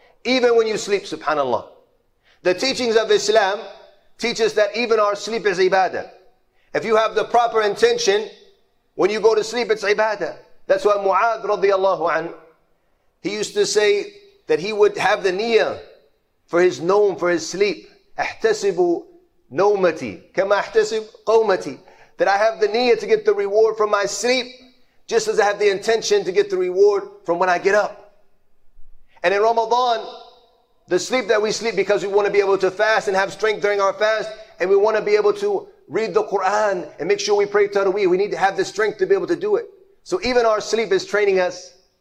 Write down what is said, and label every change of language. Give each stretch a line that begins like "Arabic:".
English: Even when you sleep, subhanAllah. The teachings of Islam teach us that even our sleep is ibadah. If you have the proper intention, when you go to sleep, it's ibadah. That's why Mu'adh radiallahu anhu, he used to say that he would have the niyyah for his nawm, for his sleep.
Arabic: احتسب نومتي كما احتسب قومتي.
English: That I have the niyyah to get the reward from my sleep, just as I have the intention to get the reward from when I get up. And in Ramadan, the sleep that we sleep because we want to be able to fast and have strength during our fast, and we want to be able to read the Quran and make sure we pray Tarawih. We need to have the strength to be able to do it. So even our sleep is training us